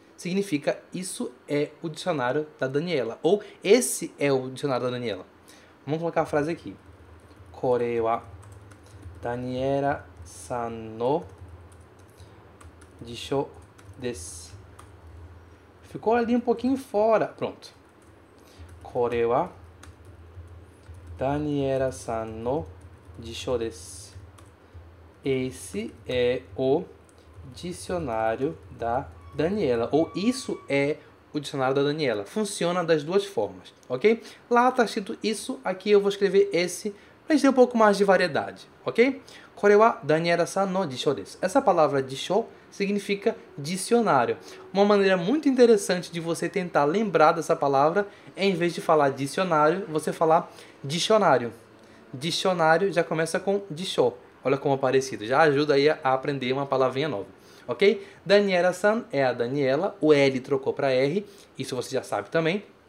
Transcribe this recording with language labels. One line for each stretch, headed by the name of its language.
Portuguese: Significa: isso é o dicionário da Daniela. Ou esse é o dicionário da Daniela. Vamos colocar a frase aqui.
Japanese: Kore wa Daniela-san no jisho desu.
Portuguese: Ficou ali um pouquinho fora. Pronto.
Japanese: これは Daniela さんの辞書です。
Portuguese: Esse é o dicionário da Daniela. Ou isso é o dicionário da Daniela. Funciona das duas formas, ok? Lá está escrito isso, aqui eu vou escrever esse, para ter um pouco mais de variedade, ok?
Japanese: これはダニエラさんの辞書です。
Portuguese: essa palavra 辞書significa dicionário. Uma maneira muito interessante de você tentar lembrar dessa palavra é, em vez de falar dicionário, você falar dicionário. Dicionário já começa com 辞書. Olha como é parecido. Já ajuda aí a aprender uma palavrinha nova. Ok? Daniela-san é a Daniela, o L trocou para R, isso você já sabe também.